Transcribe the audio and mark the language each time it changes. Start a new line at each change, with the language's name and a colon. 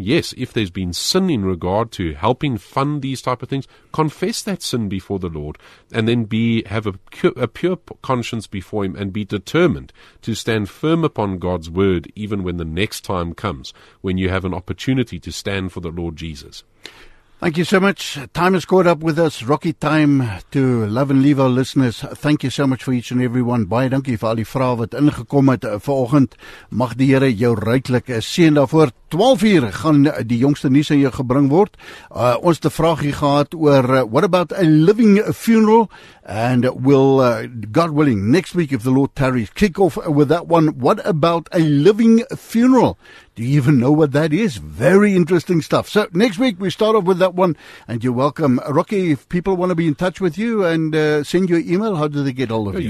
English: Yes, if there's been sin in regard to helping fund these type of things, confess that sin before the Lord and then have a pure conscience before him and be determined to stand firm upon God's word even when the next time comes when you have an opportunity to stand for the Lord Jesus. Thank you so much. Time has caught up with us. Rocky time to love and leave our listeners. Thank you so much for each and every one.
Afrikaans: Baie dankie vir al die vrae wat ingekom het vanoggend. Mag die Here jou ryklik seën daarvoor. 12:00 gaan die jongste nuus aan jou gebring word. Ons het 'n vraagie gehad oor
English: what about a living funeral? And will God willing, next week if the Lord tarries, kick off with that one. What about a living funeral? Do you even know what that is? Very interesting stuff. So next week we start off with that one, and you're welcome. Rocky, if people want to be in touch with you and send you an email, how do they get all of you?